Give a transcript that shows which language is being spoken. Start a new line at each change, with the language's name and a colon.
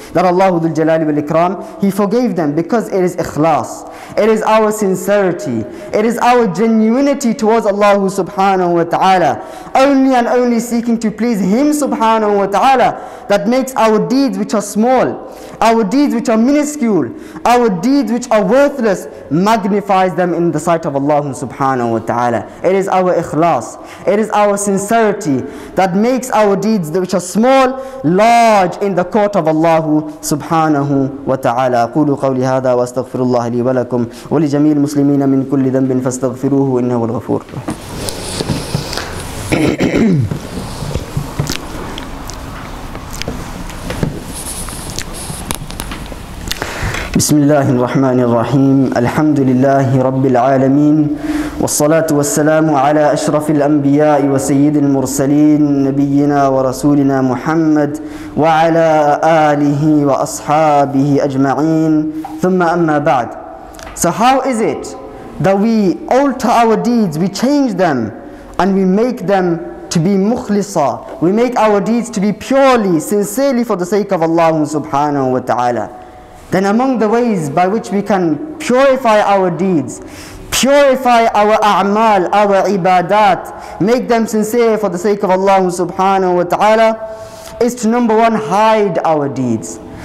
English: That Allah dhul jalali wal ikram, He forgave them. Because it is ikhlas, it is our sincerity, it is our genuinity towards Allah subhanahu wa ta'ala, only and only seeking to please Him subhanahu wa ta'ala, that makes our deeds which are small, our deeds which are minuscule, our deeds which are worthless, magnifies them in the sight of Allah subhanahu wa ta'ala. It is our ikhlas, it is our sincerity that makes our deeds which are small, large in the court of Allah subhanahu wa ta'ala.
Arabic: لهذا واستغفر الله لي ولكم ولجميع المسلمين من كل ذنب فاستغفروه إنه الغفور. بسم الله الرحمن الرحيم. الحمد لله رب العالمين والصلاة والسلام على أشرف الأنبياء وسيد المرسلين نبينا ورسولنا محمد وعلى آله وأصحابه أجمعين. ثم أما بعد.
English: So how is it that we alter our deeds, we change them and we make them to be mukhlisa, we make our deeds to be purely, sincerely for the sake of Allah subhanahu wa ta'ala? Then among the ways by which we can purify our deeds, purify our a'mal, our ibadat, make them sincere for the sake of Allah subhanahu wa ta'ala, is to number one, hide our deeds.